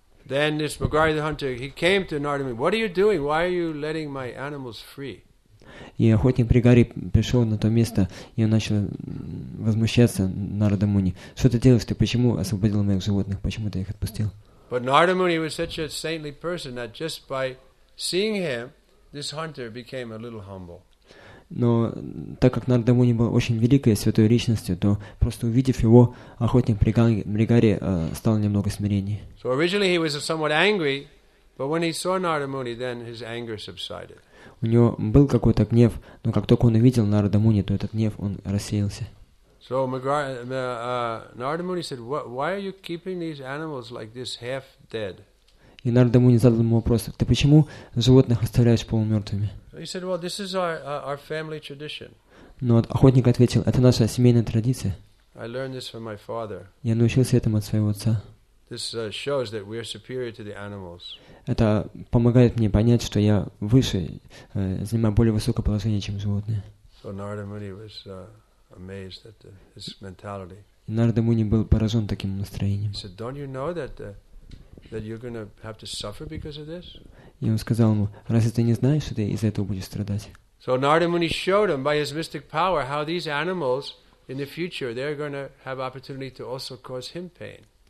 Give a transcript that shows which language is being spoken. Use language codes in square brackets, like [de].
[en] Then this Megrahi the hunter, he came to Narada Muni. What are you doing? Why are you letting my animals free? [ru] И охотник Мегари пришел на то место, и он начал возмущаться Нарада Муни. Что ты делаешь? Ты почему освободил моих животных? Почему ты их отпустил? [en] But Narada Muni was such a saintly person that just by seeing him, this hunter became a little humble. [ru] Но так как Нарада Муни был очень великой святой личностью, то просто увидев его, охотник Мегари стал немного смиреннее. [en] So originally he was somewhat angry, but when he saw Narada Muni, then his anger subsided. [ru] У него был какой-то гнев, но как только он увидел Нарада Муни, то этот гнев он рассеялся. [en] So Narada Muni said, "Why are you keeping these animals like this, half dead?" [ru] И Нарада Муни задал ему вопрос: "Ты почему животных оставляешь полумертвыми?" [en] He said, "Well, this is our family tradition." [ru] Но охотник ответил: "Это наша семейная традиция." [en] I learned this from my father. [ru] Я научился этому от своего отца. [en] This shows that we are superior to the animals. [ru] Это помогает мне понять, что я выше, занимаю более высокое положение, чем животные. [en] So Narada Muni was amazed at his mentality. [ru] И Нарада Муни был поражен таким настроением. [en] He said, "Don't you know that you're going to have to suffer because of this?" [ru] И он сказал ему: "Разве ты не знаешь, что ты из-за этого будешь страдать?" [en] So Narada Muni showed him by his mystic power how these animals in the future they're going to have opportunity to also cause him pain.